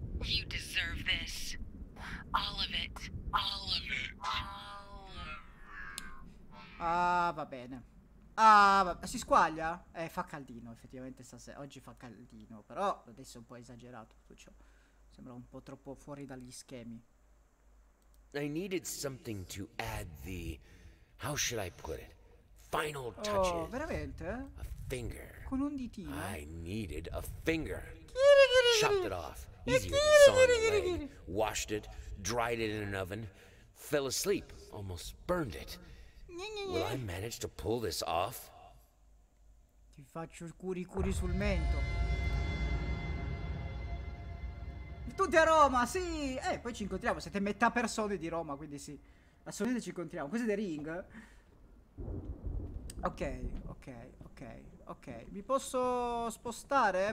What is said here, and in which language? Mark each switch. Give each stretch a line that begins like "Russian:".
English: You deserve this. All of it. All of it. All of it.
Italian: Ah, va bene. Ah, si squaglia? Fa caldino, effettivamente stasera. Oggi fa caldino, però adesso è un po' esagerato tutto ciò. Sembra un po' troppo fuori dagli schemi.
English: I needed something to add the... How should I put it? Final touches.
Italian: Oh, veramente?
English: A finger.
Italian: Con un ditino.
English: I needed a finger. Chiri. Chopped it off. Easier than sawing. Washed it. Dried it in an oven. Fell asleep. Almost burned it. Will I manage to pull this off?
Italian: Ti faccio il curi curi sul mento. Tutti a Roma, sì! Poi ci incontriamo. Siete metà persone di Roma, quindi sì. Assolutamente ci incontriamo. Questo è The Ring. Ok, ok, ok, ok. Mi posso spostare?